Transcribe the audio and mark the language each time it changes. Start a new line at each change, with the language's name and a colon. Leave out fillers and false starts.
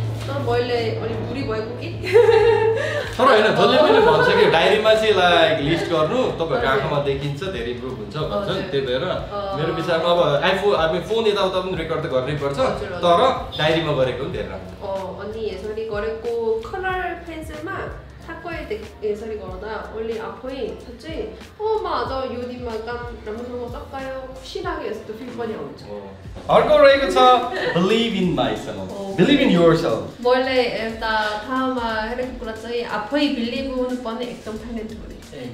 Nepali: तर होइन जसले पनि भन्छ कि डायरीमा चाहिँ लाइक लिस्ट गर्नु तपाईँहरूको आँखामा देखिन्छ धेरै इम्प्रुभ हुन्छ भन्छ नि त्यही भएर मेरो विचारमा अब आइफोन हामी फोन यताउता पनि रेकर्ड त गर्नै पर्छ तर डायरीमा गरेको पनि धेरै राम्रो अनि यसरी गरेको कलर पेन्सिलमा ठ्याक्कै यसरी गर्दा अहिले आफै साँच्चै माझ यो दिनमा काम राम्रोसँग सकायो खुसी लाग्यो यस्तो फिल पनि आउँछ अर्को रहेको छ
English: believe in myself believe in yourself
Nepali: मैले एउटा ठाउँमा हेरेको कुरा चाहिँ आफै बिलिभ हुनुपर्ने एकदम फाइनेन्स हो